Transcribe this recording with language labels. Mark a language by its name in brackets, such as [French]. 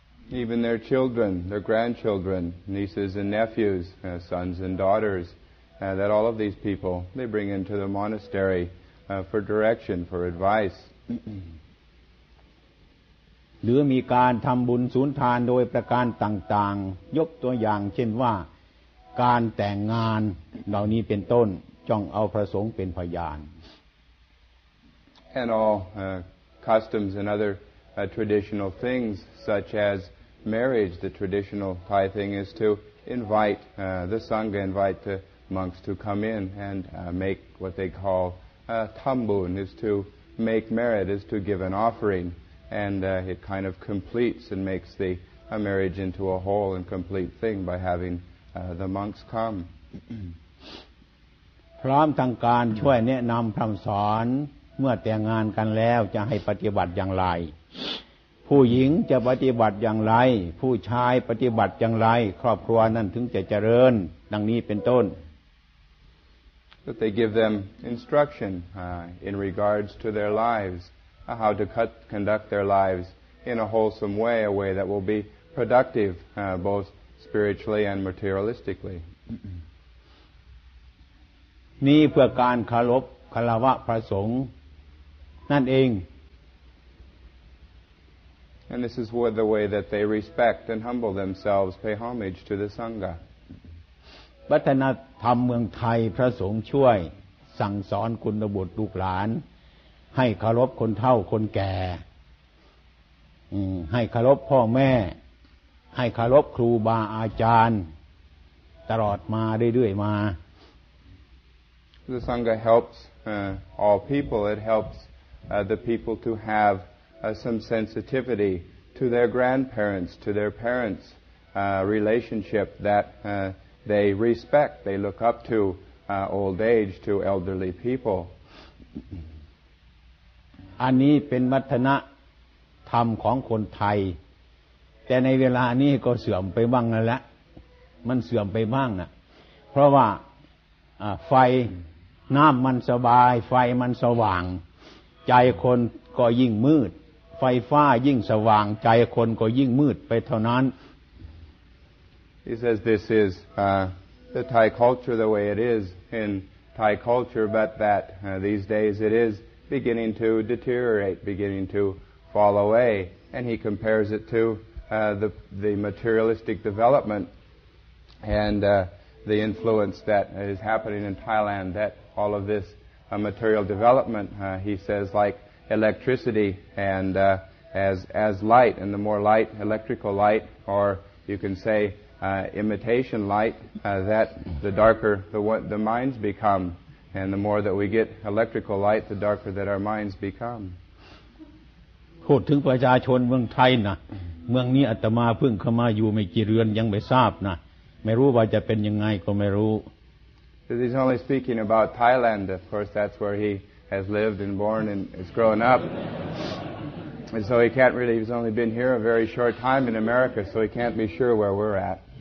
[English] Even their children, their grandchildren, nieces and nephews, sons and daughters, that all of these people they bring into the monastery for direction, for advice. [Thai] หรือมีการทำบุญสุนทานโดยประการต่างๆยกตัวอย่างเช่นว่าการแต่งงานเหล่านี้เป็นต้นจ้องเอาพระสงฆ์เป็นพยาน [English] And all customs and other traditional things such as marriage the traditional Thai thing is to invite the Sangha invite the monks to come in and make what they call thambun is to make merit is to give an offering and it kind of completes and makes the marriage into a whole and complete thing by having the monks come [Thai] พร้อมทางการช่วยแนะนำคำสอนเมื่อแต่งงานกันแล้วจะให้ปฏิบัติอย่างไรผู้หญิงจะปฏิบัติอย่างไรผู้ชายปฏิบัติอย่างไรครอบครัวนั้นถึงจะเจริญดังนี้เป็นต้น [English] that they give them instruction in regards to their lives, how to conduct their lives in a wholesome way, a way that will be productive both spiritually and materialistically. [Thai] นี่เพื่อการคารวะคารวะพระสงฆ์นั่นเอง [English] And this is what the way that they respect and humble themselves, pay homage to the Sangha. [Thai] วัฒนธรรมเมืองไทยพระสงฆ์ช่วยสั่งสอนคุณบุตรลูกหลานให้คารวะคนเฒ่าคนแก่ให้คารวะพ่อแม่ให้คารวะครูบาอาจารย์ตลอดมาเรื่อยๆมา [English] The Sangha helps all people. It helps the people to have some sensitivity to their grandparents, to their parents' relationship that they respect. They look up to old age, to elderly people. [Thai] อันนี้เป็นวัฒนธรรมของคนไทยแต่ในเวลานี้ก็เสื่อมไปบ้างแล้วแหละมันเสื่อมไปบ้างอ่ะเพราะว่าไฟน้ำมันสบายไฟมันสว่างใจคนก็ยิ่งมืดไฟฟ้ายิ่งสว่างใจคนก็ยิ่งมืดไปเท่านั้น [English] He says this is the Thai culture the way it is in Thai culture but that these days it is beginning to deteriorate beginning to fall away and he compares it to the materialistic development and the influence that is happening in Thailand thatAll of this material development, he says, like electricity and as light, and the more light, electrical light, or you can say imitation light, that the darker the minds become, and the more that we get electrical light, the darker that our minds become. [Thai] พูดถึงประชาชนเมืองไทยนะเมืองนี้อาตมาเพิ่งเข้ามาอยู่ไม่กี่เดือนยังไม่ทราบนะไม่รู้ว่าจะเป็นยังไงก็ไม่รู้ [English] He's only speaking about Thailand. Of course, that's where he has lived and born and is grown up. And so he can't really, he's only been here a very short time in America, so he can't be sure where we're at.